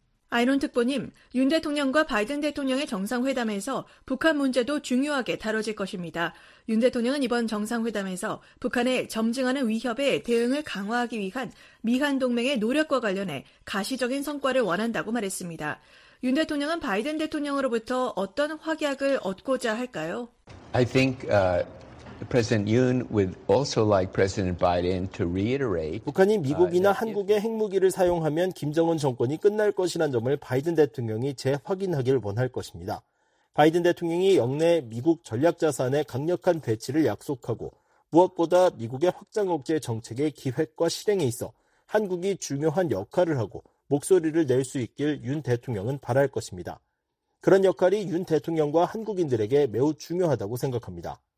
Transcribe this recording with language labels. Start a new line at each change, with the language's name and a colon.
Korean: 아이론 특보님, 윤 대통령과 바이든 대통령의 정상회담에서 북한 문제도 중요하게 다뤄질 것입니다. 윤 대통령은 이번 정상회담에서 북한의 점증하는 위협에 대응을 강화하기 위한 미한 동맹의 노력과 관련해 가시적인 성과를 원한다고 말했습니다. 윤 대통령은 바이든 대통령으로부터 어떤 확약을 얻고자 할까요?
English: I think President Yoon would also like President Biden to reiterate.
Korean: 북한이 미국이나 한국의 핵무기를 사용하면 김정은 정권이 끝날 것이란 점을 바이든 대통령이 재확인하길 원할 것입니다. 바이든 대통령이 역내 미국 전략 자산에 강력한 대치를 약속하고 무엇보다 미국의 확장 억제 정책의 기획과 실행에 있어 한국이 중요한 역할을 하고 목소리를 낼 수 있길 윤 대통령은 바랄 것입니다. 그런 역할이 윤 대통령과 한국인들에게 매우 중요하다고 생각합니다.